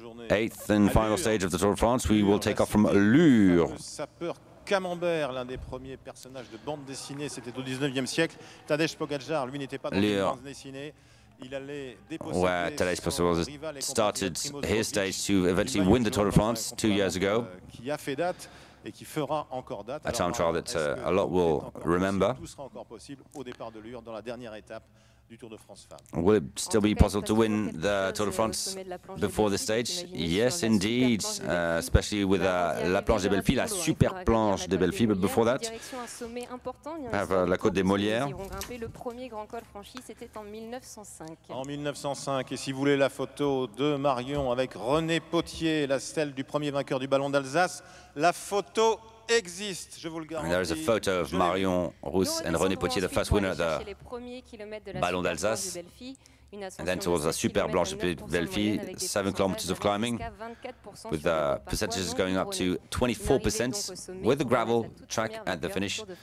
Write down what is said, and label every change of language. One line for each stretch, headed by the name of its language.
English: Eighth and final stage of the Tour de France, we will take off from Lure.
French: Camembert, l'un des premiers personnages de bande dessinée, c'était au 19e siècle. Tadej Pogačar, lui, n'était pas dans les bandes dessinées.
English: Where Tadej Pogačar started his stage to eventually win the Tour de France 2 years ago.
French: Et qui fera encore date.
English: A time trial that a lot will remember.
French: Tout sera encore possible au départ de Lure dans la dernière étape du Tour de France femmes.
English: Will it still be possible to win the Tour de France before this stage? Yes, indeed, especially with La Planche des Belles Filles, la super planche des Belles Filles. But before that, we have la Côte des Molières.
French: Le premier grand col franchi, c'était en 1905. En 1905, et si vous voulez la photo de Marion avec René Potier, la stèle du premier vainqueur du Ballon d'Alsace, la photo existe, je vous le garantis.
English: There is a photo of Marion Roos and René Potier, the first winner of the Ballon d'Alsace. And then towards the Super Blanche de Belles Filles, 7 kilometers of climbing, with the percentages going up to 24%, with the gravel track at the finish.